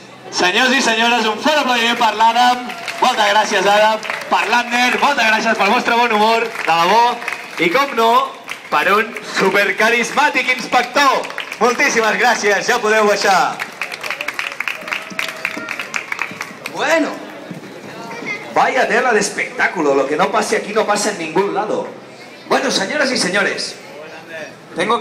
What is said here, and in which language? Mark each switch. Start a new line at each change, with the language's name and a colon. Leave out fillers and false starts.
Spanish: Señores y señoras,
Catalan: un fuerte aplaudiment per l'Adam. Moltes gràcies, Adam, per l'Adner, moltes gràcies pel vostre bon humor, de la bo, i com no, per un supercarismàtic inspector. Moltíssimes gràcies, ja podeu baixar.
Spanish: Bueno, vaya tela de espectáculo, lo que no pase aquí no pasa en ningún lado. Bueno, señoras y señores, tengo que decir, esto se ha quedado encallado, tengo que decir